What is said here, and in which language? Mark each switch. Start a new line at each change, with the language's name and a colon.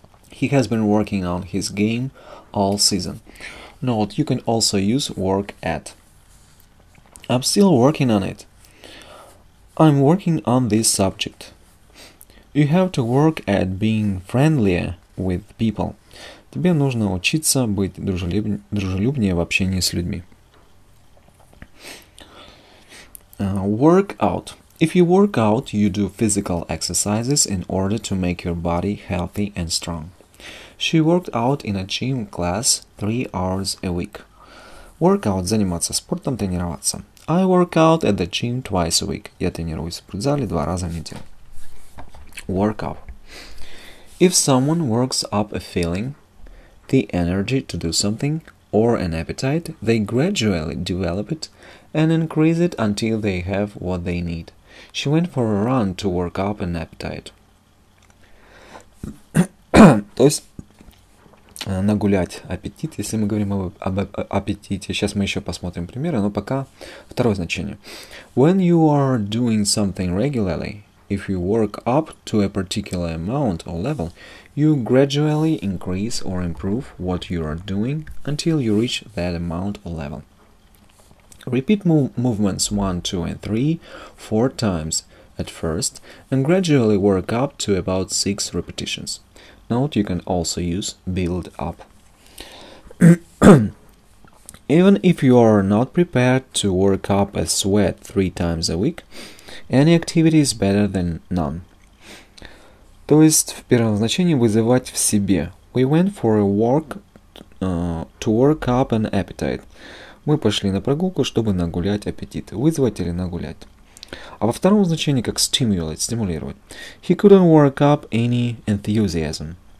English: He has been working on his game all season. Note, you can also use work at. I'm still working on it. I'm working on this subject. You have to work at being friendlier with people.
Russian: Тебе нужно учиться быть дружелюбнее в общении с людьми.
English: Work out. If you work out, you do physical exercises in order to make your body healthy and strong. She worked out in a gym class 3 hours a week.
Russian: Work out – заниматься спортом, тренироваться.
English: I work out at the gym twice a week.
Russian: Я тренируюсь в спортзале два раза в неделю.
English: Work out. If someone works up a feeling, the energy to do something, or an appetite, they gradually develop it and increase it until they have what they need. She went for a run to work up an appetite.
Russian: То есть нагулять аппетит, если мы говорим об аппетите. Сейчас мы еще посмотрим примеры, но пока второе значение.
English: When you are doing something regularly, if you work up to a particular amount or level, you gradually increase or improve what you are doing until you reach that amount or level. Repeat movements 1, 2, and 3, 4 times at first, and gradually work up to about 6 repetitions. Note, you can also use build up. Even if you are not prepared to work up a sweat 3 times a week, any activity is better than none.
Russian: То есть, в первом значении, вызывать в себе.
English: We went for a walk to work up an appetite.
Russian: Мы пошли на прогулку, чтобы нагулять аппетит. Вызвать или нагулять. А во втором значении, как stimulate, стимулировать.
English: He couldn't work up any enthusiasm.